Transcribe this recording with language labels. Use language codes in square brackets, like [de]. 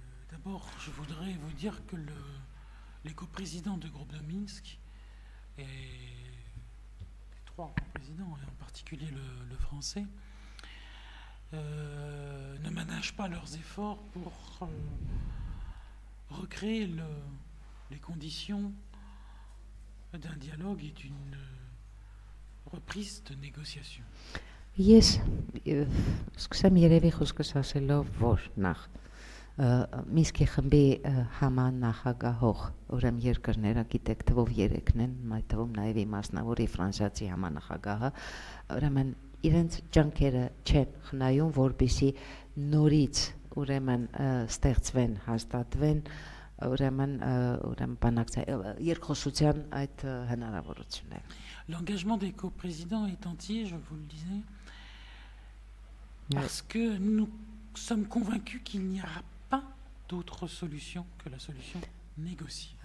[fr] D'abord, je voudrais vous dire que les coprésidents du groupe de Minsk et les trois coprésidents, et en particulier le français, ne ménagent pas leurs efforts pour recréer les conditions d'un dialogue et d'une reprise de négociation. [hy] Yes, սկսեմ երևի խոսքս ասելով, որ նախ Միսկի խմբի համանախագահող, ուրեմ երկրները, գիտեք, թվով 3-ն են, այդ թվում նաև իմաստնավորի ֆրանսիացի համանախագահը, ուրեմն իրենց ջանքերը չեն խնայում, որպեսի նորից ուրեմն ստեղծվեն, հաստատվեն, ուրեմն բանակցային երկխոսության այդ հնարավորությունը։ [fr] L'engagement des coprésidents est entier, je vous le disais, parce que nous sommes convaincus qu'il n'y aura pas d'autre solution que la solution négociée.